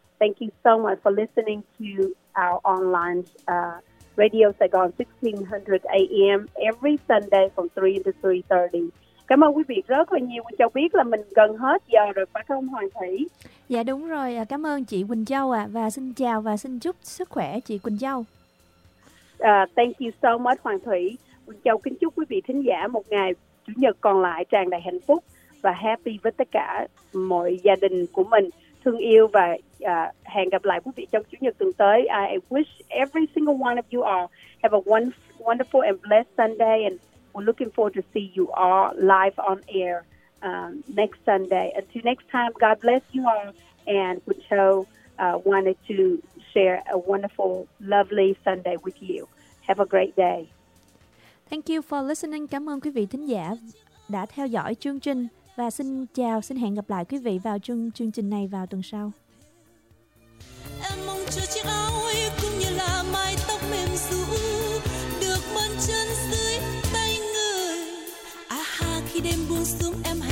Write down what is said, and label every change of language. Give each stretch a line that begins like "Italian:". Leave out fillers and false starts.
English: Thank you so much for listening to our online Radio Saigon 1600 AM every Sunday from 3 to 3:30.
Vietnamese: Cảm ơn quý vị rất là nhiều. Quỳnh Châu biết là mình gần hết giờ rồi, phải không Hoàng Thủy? Dạ đúng rồi. Cảm ơn chị Quỳnh Châu ạ. Và xin chào và xin chúc sức khỏe chị Quỳnh Châu.
English: Thank you so much Hoàng Thủy.
Vietnamese: Quỳnh Châu kính chúc quý vị thính giả một ngày Chủ nhật còn lại tràn đầy hạnh phúc và happy với tất cả mọi gia đình của mình. Thương yêu và hẹn gặp lại quý vị trong Chủ nhật tuần tới.
English: I wish every single one of you all have a wonderful and blessed Sunday, and we're looking forward to see you all live on air next Sunday. Until next time, God bless you all. And Wicho wanted to share a wonderful, lovely Sunday with you. Have a great day. Thank you for listening.
Vietnamese: Cảm ơn quý vị thính giả đã theo dõi chương trình. Và xin chào, xin hẹn gặp lại quý vị vào chương trình này vào tuần sau. Em mong cho chiếc áo ấy cũng như là mái tóc mềm rũ được mơn trớn dưới tay người. À ha, khi đêm buông xuống em...